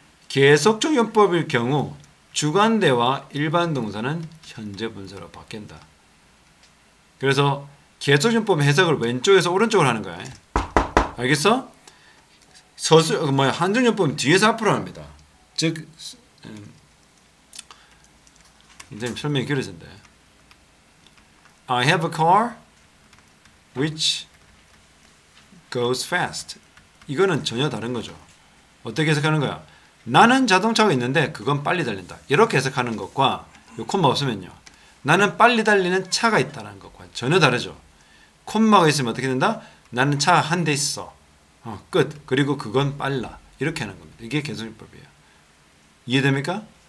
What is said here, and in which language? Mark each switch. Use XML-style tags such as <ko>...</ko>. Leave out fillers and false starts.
<ko>계속적 용법일 경우 주관대와 일반 동사는 현재 분사로 바뀐다. 그래서 계속적용법 해석을 왼쪽에서 오른쪽으로 하는 거야. 알겠어? 한정용법은 뒤에서 앞으로 합니다. 즉, 이제 설명이 길어진대.</ko> <en>I have a car which goes fast.</en> <ko>이거는 전혀 다른 거죠. 어떻게 해석하는 거야? 나는 자동차가 있는데 그건 빨리 달린다. 이렇게 해석하는 것과 이 콤마 없으면요. 나는 빨리 달리는 차가 있다는 것과 전혀 다르죠. 콤마가 있으면 어떻게 된다? 나는 차한대 있어. 끝. 그리고 그건 빨라. 이렇게 하는 겁니다. 이게 계속용법이에요. 이해됩니까?</ko>